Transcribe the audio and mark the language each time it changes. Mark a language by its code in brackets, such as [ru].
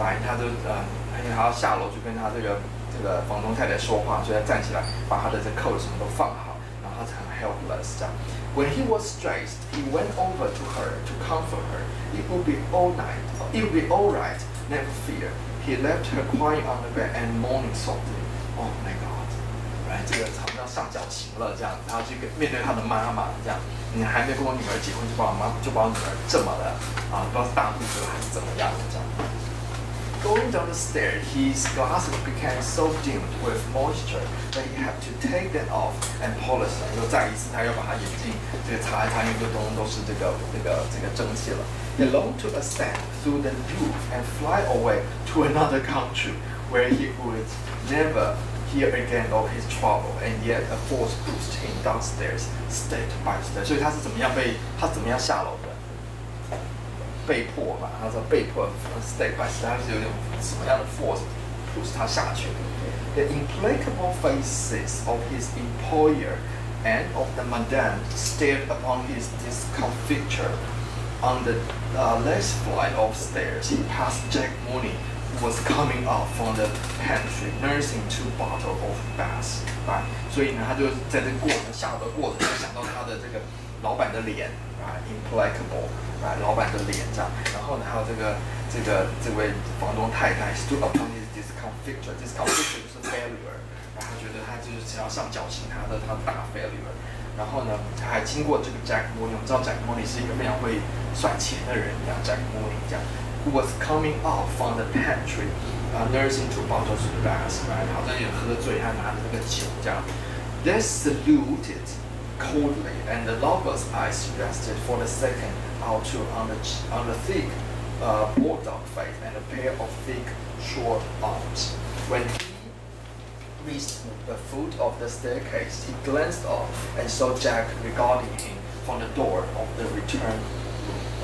[zh] Right， 他就而且他要下楼去跟他这个房东太太说话，所以他站起来把他的这 coat 什么都放好，然他很 [en] helpless 这样。When he was stressed, he went over to her to comfort her. It would be all night. It would be all right. Never fear. He left her crying on the bed and mourning softly. Oh my God. [zh] Right, 这个好像上脚情了这样，然后去面对他的妈妈这样。你还没跟我女儿结婚，就把我妈就把我女儿这么的啊，不知道是大肚子还是怎么样的这样。 [en] Going down the stairs, his glasses became so dimmed with moisture that he had to take them off and polish them. [zh] 又再一次，他又把他眼镜这个擦一擦，因为就通通都是这个蒸汽了。 [en] He longed to ascend through the roof and fly away to another country where he would never hear again of his trouble. And yet, a force pushed him downstairs, step by step. [zh] 所以他是怎么样被他怎么样下楼？被迫吧，他说被迫 ， [en] step by step， [zh] 是有点什么样的 force push 他下去的。 [en] The implacable faces of his employer and of the madame stared upon his discomfiture on the last flight of stairs. He passed Jack Mooney, who was coming up from the pantry, nursing two bottles of bath. [zh] 所以呢，他就在这过程下的过程，就想到他的这个老板的脸。 [en] Implacable， [zh] 啊，老板的脸这样，然后呢，还有这位房东太太 [en] stood upon his discomfiture [zh] 就是 failure， 然后觉得他就是只要上脚型，他的大 failure， 然后呢，他还经过这个 Jack Mooney， 我们知道 Jack Mooney 是一个非常会算钱的人，像 Jack Mooney 这样 [en] ，who was coming out from the pantry， nursing two bottles of bass， [zh] 好像也喝醉，他拿着那个酒这样 [en] ，they saluted。 Coldly, and the lover's eyes rested for a second or two on the thick, bulldog face and a pair of thick, short arms. When he reached the foot of the staircase, he glanced up and saw Jack regarding him from the door of the return room.